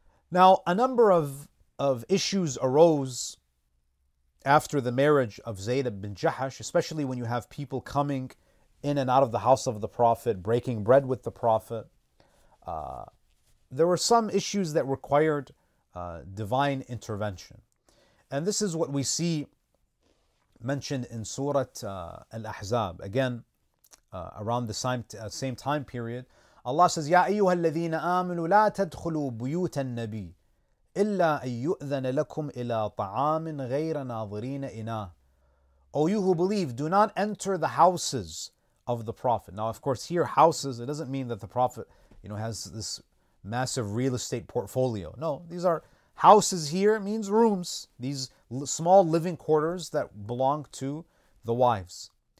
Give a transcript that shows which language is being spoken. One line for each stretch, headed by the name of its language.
English: Now, a number of issues arose after the marriage of Zaynab bin Jahash, especially when you have people coming in and out of the house of the Prophet, breaking bread with the Prophet. There were some issues that required divine intervention. And this is what we see mentioned in Surah Al-Ahzab. Again, around the same time period, Allah says,
Arabic: يَا أَيُّهَا الَّذِينَ آمِنُوا لَا تَدْخُلُوا بُيُوتَ النَّبِيِّ إِلَّا أَن يُؤْذَنَ لَكُمْ إِلَىٰ طَعَامٍ غَيْرَ نَاظِرِينَ إِنَاهُ.
English: O you who believe, do not enter the houses of the Prophet. Now, of course, here, houses, it doesn't mean that the Prophet, you know, has this massive real estate portfolio. No, these are houses here. It means rooms, these small living quarters that belong to the wives.